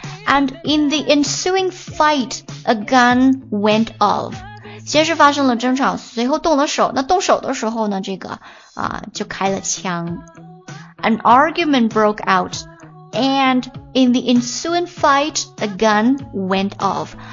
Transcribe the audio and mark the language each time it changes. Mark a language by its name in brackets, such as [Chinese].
[English] And in the ensuing fight， a gun went off。 [Chinese] 先是发生了争吵，随后动了手，那动手的时候呢，这个就开了枪。 [English] An argument broke out and in the ensuing fight a gun went off。